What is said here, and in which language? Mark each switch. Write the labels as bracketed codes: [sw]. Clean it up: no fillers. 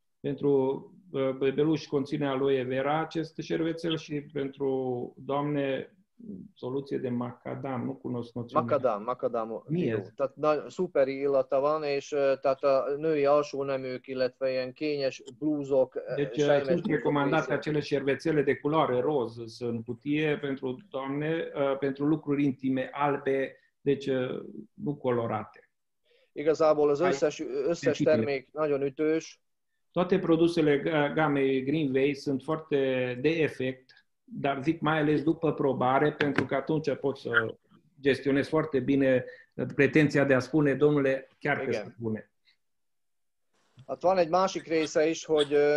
[ro] Pentru bebeluș conține aloe vera acest șervețel și pentru doamne soluție de macadam, nu cunosc noțiunea. Macadam. Miez. [hu] Tehát super illata van, és tehát a női alsó neműk, illetve ilyen kényes blúzok. [ro] Deci sunt recomandate acele șervețele de culoare roz, sunt cutie pentru doamne, pentru lucruri intime albe, deci nu colorate. [hu] Igazából az összes termék nagyon ütős. [ro] Toate produsele gamei Greenway sunt foarte de efect, dar zic mai ales după probare, pentru că atunci poți să gestionezi foarte bine pretenția de a spune, domnule, chiar că sunt bune. [hu] Hát van egy másik része is, hogy